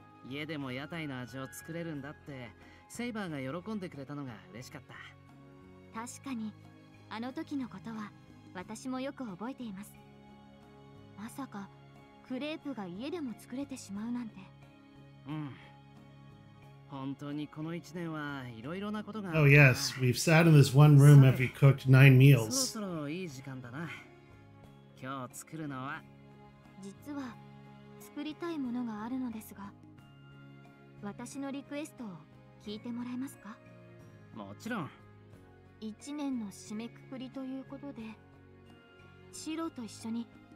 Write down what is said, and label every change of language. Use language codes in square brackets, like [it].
[ja] 家でも屋台の味を作れるんだって、セイバーが喜んでくれたのが嬉しかった。確かに、あの時のことは私もよく覚えています。まさか、クレープが家でも作れてしまうなんて。うん。本当にこの一年はいろいろなことが。 [en] Oh yes, we've sat in this one room and we cooked 9 meals. [ja] そろそろいい時間だな。今日作るのは。実は作りたいものがあるのですが、私のリクエストを聞いてもらえますか。もちろん。一年の締めくくりということで、シロと一緒に。